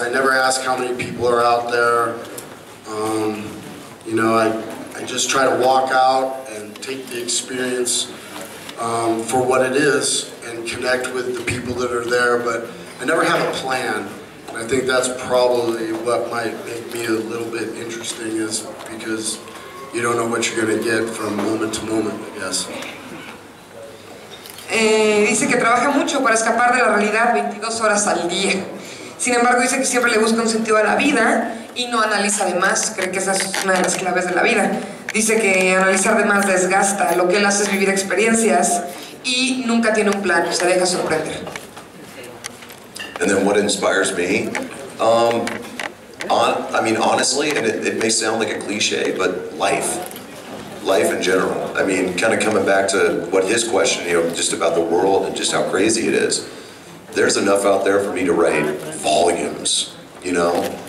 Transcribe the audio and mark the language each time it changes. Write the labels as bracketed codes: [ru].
[en] I never ask how many people are out there. You know, I just try to walk out and take the experience for what it is and connect with the people that are there, but I never have a plan. I think that's probably what might make me a little bit interesting, is because you don't know what you're going to get from moment to moment, I guess. [es] Dice que trabaja mucho para escapar de la realidad 22 horas al día. Sin embargo, dice que siempre le busca un sentido a la vida y no analiza de más. Cree que esa es una de las claves de la vida. Dice que analizar de más desgasta. Lo que él hace es vivir experiencias y nunca tiene un plan. Se deja sorprender. [en] And then what inspires me? I mean, honestly, and it may sound like a cliche, but life. Life in general. I mean, kind of coming back to what his question, you know, just about the world and just how crazy it is. There's enough out there for me to write volumes, you know?